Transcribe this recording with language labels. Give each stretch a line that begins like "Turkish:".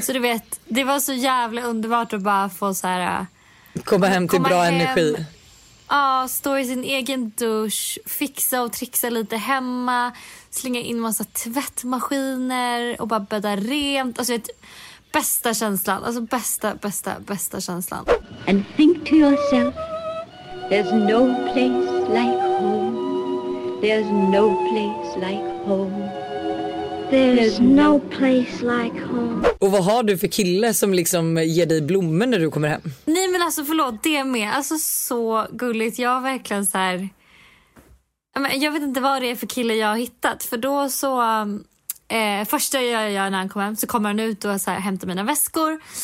Swedish: Så du vet, det var så jävla underbart att bara få så här... Komma hem till bra energi. Ja, stå i sin egen dusch, fixa och trixa lite hemma, slänga in massa tvättmaskiner och bara bädda rent. Alltså, vet, bästa känslan. Alltså, bästa känslan.
English: And think to yourself, there's no place like home. There's no place like home. There's no place like home.
Swedish: Och vad har du för kille som liksom ger dig blommor när du kommer hem? Nej, men alltså förlåt, det är med. Alltså så gulligt. Jag verkligen så här... Jag vet inte vad det är för kille jag har hittat. För då så... första jag gör när han kommer hem så kommer han ut och så här, hämtar mina väskor.